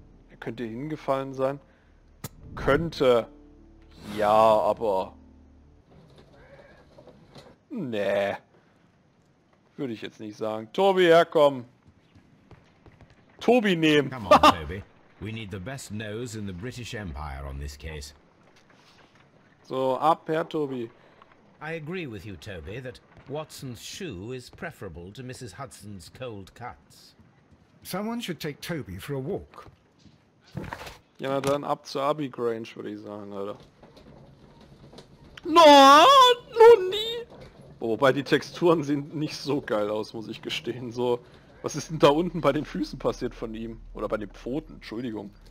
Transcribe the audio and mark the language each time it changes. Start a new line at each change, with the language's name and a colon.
German: Er könnte hingefallen sein. Könnte. Ja, aber... Nee. Würde ich jetzt nicht sagen. Tobi, herkommen. Tobi nehmen.
English: Come on, Toby. We need the best nose in the British Empire on this case.
German: So, ab, Herr Toby.
English: I agree with you, Toby, that Watson's shoe is preferable to Mrs. Hudson's cold cuts. Someone should take Toby for a walk.
German: Ja, na dann ab zur Abbey Grange, würde ich sagen, Alter. Nonni! Wobei die Texturen sehen nicht so geil aus, muss ich gestehen. So, was ist denn da unten bei den Füßen passiert von ihm? Oder bei den Pfoten, Entschuldigung.